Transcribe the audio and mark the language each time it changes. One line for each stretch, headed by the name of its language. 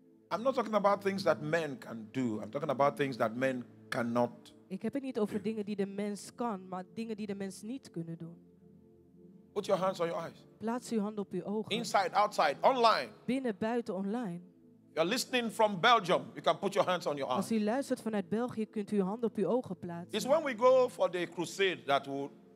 English: I'm not talking about things that men can do. I'm talking about things that men cannot.
Dutch: Ik heb het niet over dingen die de mens kan, maar dingen die de mens niet kunnen doen.
English: Put your hands on your eyes.
Dutch: Plaats uw hand op uw ogen.
English: Inside, outside, online.
Dutch: Binnen, buiten, online.
English: You're listening from Belgium. You can put your hands on your arm.
Dutch: Als u luistert vanuit België, kunt u uw hand op uw ogen plaatsen.
English: It's when we go for the crusade that we'll